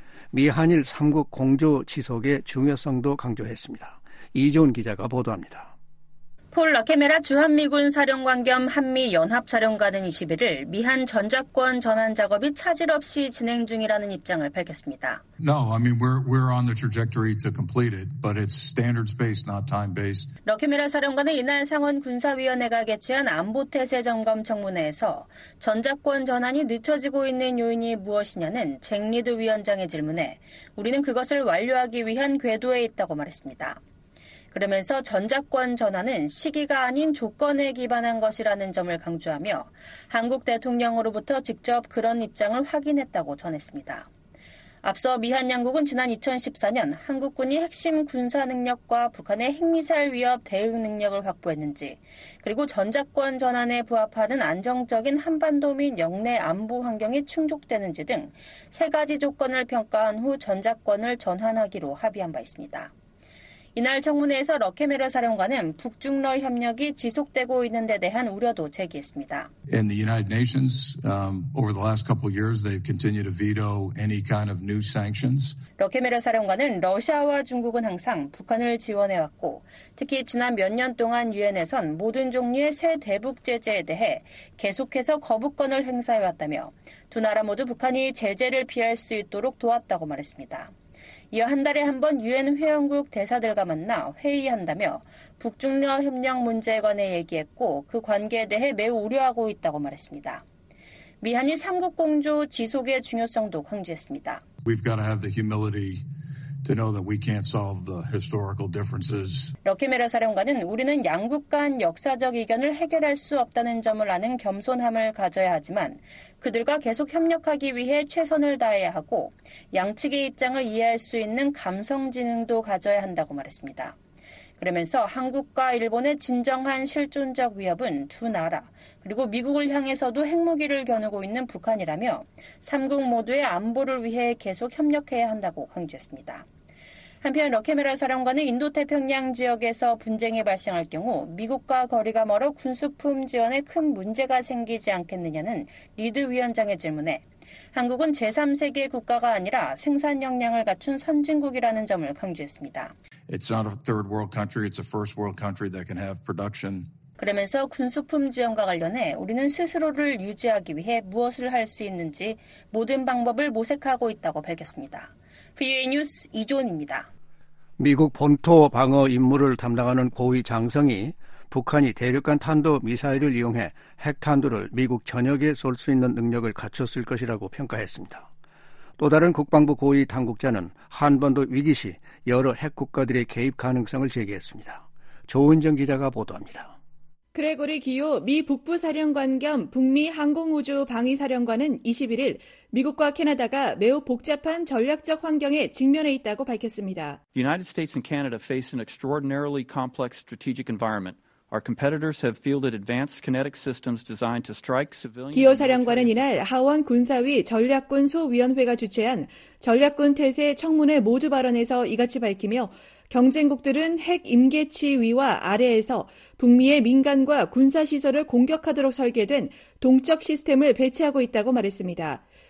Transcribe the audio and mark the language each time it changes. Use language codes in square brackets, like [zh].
[ko] 미한일 3국 공조 지속의 중요성도 강조했습니다. 이종훈 기자가 보도합니다. 폴 라케메라 주한미군 사령관 겸 한미연합사령관은 21일 미한 전작권 전환 작업이 차질 없이 진행 중이라는 입장을 밝혔습니다. [en] No, I mean we're on the trajectory to complete it, but it's standards based, not time based. [ko] 라케메라 사령관은 이날 상원 군사위원회가 개최한 안보태세 점검 청문회에서 전작권 전환이 늦춰지고 있는 요인이 무엇이냐는 잭리드 위원장의 질문에 우리는 그것을 완료하기 위한 궤도에 있다고 말했습니다. 그러면서 전작권 전환은 시기가 아닌 조건에 기반한 것이라는 점을 강조하며 한국 대통령으로부터 직접 그런 입장을 확인했다고 전했습니다. 앞서 미한 양국은 지난 2014년 한국군이 핵심 군사 능력과 북한의 핵미사일 위협 대응 능력을 확보했는지 그리고 전작권 전환에 부합하는 안정적인 한반도 및 영내 안보 환경이 충족되는지 등 세 가지 조건을 평가한 후 전작권을 전환하기로 합의한 바 있습니다. 이날 청문회에서 러케메라 사령관은 북중러 협력이 지속되고 있는 데 대한 우려도 제기했습니다. [en] In the United Nations, over the last couple of years, they've continued to veto any kind of new sanctions. [ko] 러케메라 사령관은 러시아와 중국은 항상 북한을 지원해왔고, 특히 지난 몇 년 동안 유엔에선 모든 종류의 새 대북 제재에 대해 계속해서 거부권을 행사해왔다며 두 나라 모두 북한이 제재를 피할 수 있도록 도왔다고 말했습니다. 이어 한 달에 한 번 유엔 회원국 대사들과 만나 회의한다며 북중러 협력 문제에 관해 얘기했고 그 관계에 대해 매우 우려하고 있다고 말했습니다. 미한이 3국 공조 지속의 중요성도 강조했습니다. [en] We've got to have the humility to know that we can't solve the historical differences. [ko] 러케메라 사령관은 우리는 양국 간 역사적 이견을 해결할 수 없다는 점을 아는 겸손함을 가져야 하지만 그들과 계속 협력하기 위해 최선을 다해야 하고 양측의 입장을 이해할 수 있는 감성 지능도 가져야 한다고 말했습니다. 그러면서 한국과 일본의 진정한 실존적 위협은 두 나라 그리고 미국을 향해서도 핵무기를 겨누고 있는 북한이라며 3국 모두의 안보를 위해 계속 협력해야 한다고 강조했습니다. 한편 러케메라 사령관은 인도태평양 지역에서 분쟁이 발생할 경우 미국과 거리가 멀어 군수품 지원에 큰 문제가 생기지 않겠느냐는 리드 위원장의 질문에 한국은 제3세계 국가가 아니라 생산 역량을 갖춘 선진국이라는 점을 강조했습니다. [en] It's not a third world country, it's a first world country that can have production. [ko] 그러면서 군수품 지원과 관련해 우리는 스스로를 유지하기 위해 무엇을 할 수 있는지 모든 방법을 모색하고 있다고 밝혔습니다. VOA 뉴스 이조은입니다. 미국 본토 방어 임무를 담당하는 고위 장성이 북한이 대륙간 탄도 미사일을 이용해 핵탄두를 미국 전역에 쏠 수 있는 능력을 갖췄을 것이라고 평가했습니다. 또 다른 국방부 고위 당국자는 한반도 위기 시 여러 핵국가들의 개입 가능성을 제기했습니다. 조은정 기자가 보도합니다. 그레고리 기요 미 북부사령관 겸 북미 항공우주방위사령관은 21일 미국과 캐나다가 매우 복잡한 전략적 환경에 직면해 있다고 밝혔습니다. [en] The United States and Canada face an extraordinarily complex strategic environment. Our competitors have fielded advanced kinetic systems designed to strike civilian. [ko] 기호 사령관은 이날 하원 군사위 전략군 소위원회가 주최한 전략군 태세 청문회 모두 발언에서 이같이 밝히며 경쟁국들은 핵 임계치 위와 아래에서 북미의 민간과 군사 시설을 공격하도록 설계된 동적 시스템을 배치하고 있다고 말했습니다.